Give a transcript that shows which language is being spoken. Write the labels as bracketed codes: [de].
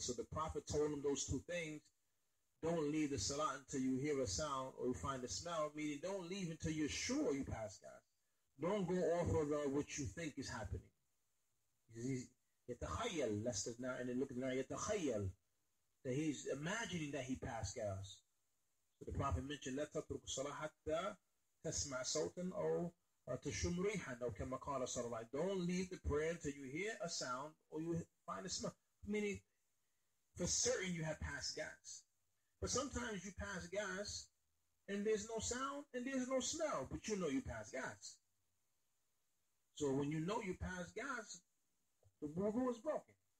[en] So the Prophet told him those two things. Don't leave the salat until you hear a sound or you find a smell. Meaning don't leave until you're sure you pass gas. Don't go off of what you think is happening. يتخيل, Lester's now, and then look at now, يتخيل, that he's imagining that he passed gas. So the Prophet mentioned, [ar] لَا تَتْرُكُ صَلَاةً حَتَّى تَسْمَعْ صَوْتًا أَوْ تَشُمْ رِيحًا أَوْ كَمَا قَالَ صَلَى اللَّهِ. [en] Don't leave the prayer until you hear a sound or you find a smell. Meaning, for certain you have passed gas. But sometimes you pass gas and there's no sound and there's no smell, but you know you pass gas. So when you know you pass gas, the wudu is broken.